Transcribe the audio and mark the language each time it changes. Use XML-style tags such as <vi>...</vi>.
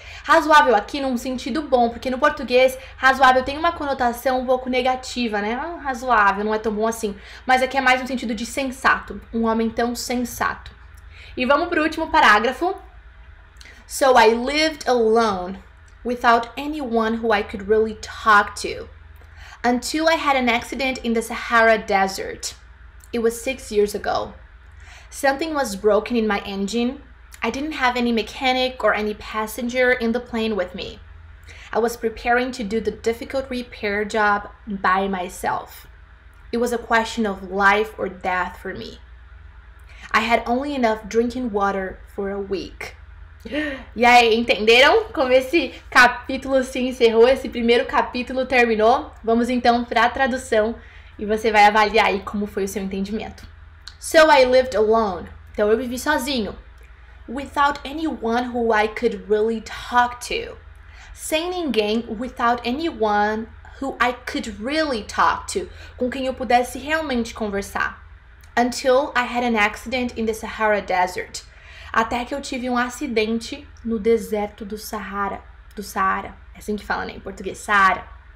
<pt>Razoável aqui num sentido bom, porque no português, razoável tem uma conotação um pouco negativa, né? Razoável, não é tão bom assim. Mas aqui é mais um sentido de sensato, um homem tão sensato. E vamos pro último parágrafo.</pt> <en>So I lived alone, without anyone who I could really talk to, until I had an accident in the Sahara Desert. It was 6 years ago. Something was broken in my engine. I didn't have any mechanic or any passenger in the plane with me. I was preparing to do the difficult repair job by myself. It was a question of life or death for me. I had only enough drinking water for a week. E aí, entenderam como esse capítulo se encerrou, esse primeiro capítulo terminou? Vamos então para a tradução. E você vai avaliar aí como foi o seu entendimento. So I lived alone.</en> <pt>Então eu vivi sozinho.</pt> <en>Without anyone who I could really talk to.</en> <pt>Sem ninguém,</pt> <en>without anyone who I could really talk to.</en> <pt>Com quem eu pudesse realmente conversar.</pt> <en>Until I had an accident in the Sahara Desert.</en> <pt>Até que eu tive um acidente no deserto do Sahara. Do Saara. É assim que fala, né? Em português, Saara.</pt>